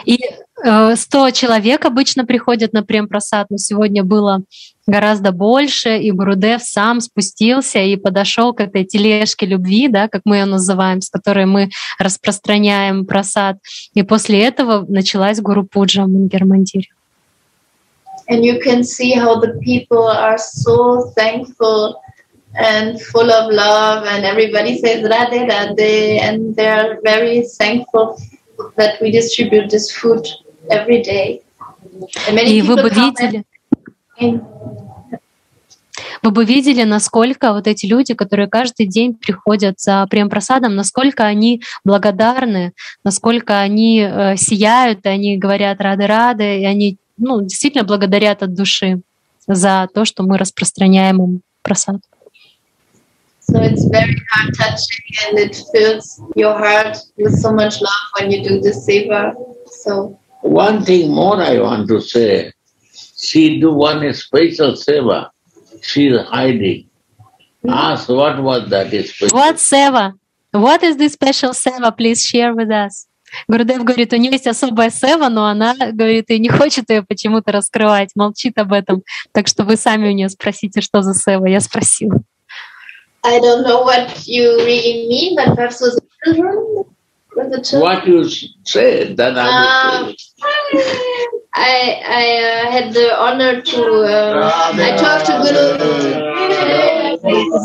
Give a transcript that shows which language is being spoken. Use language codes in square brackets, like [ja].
[ru] И 100 человек обычно приходят на прем-просад, но сегодня было гораздо больше, и Гурудев сам спустился и подошел к этой тележке любви, да, как мы ее называем, с которой мы распространяем просад. И после этого началась Гуру-пуджа в Мангер-мандире. [en] And you can see how the people are so thankful and full of love, and everybody says Radhe, Radhe, and they are very thankful that we distribute this food every day. [ru] И вы бы видели, вы бы видели, насколько вот эти люди, которые каждый день приходят за прем-просадом, насколько они благодарны, насколько они сияют, и они говорят рады-рады, и они, ну, действительно благодарят от души за то, что мы распространяем им просад. [en] So it's very heart-touching and it fills your heart with so much love when you do this seva. So one thing more I want to say. She do one special seva. She's hiding. Ask what was that special. What seva? What is this special seva? Please share with us. [ru] Гурудев говорит, у нее есть особая сева, но она говорит и не хочет ее почему-то раскрывать, молчит об этом. Так что вы сами у нее спросите, что за сева. Я спросил. [en] I don't know what you really mean, but perhaps with the children. What you said, then I will say. I had the honor to I talked to Guru.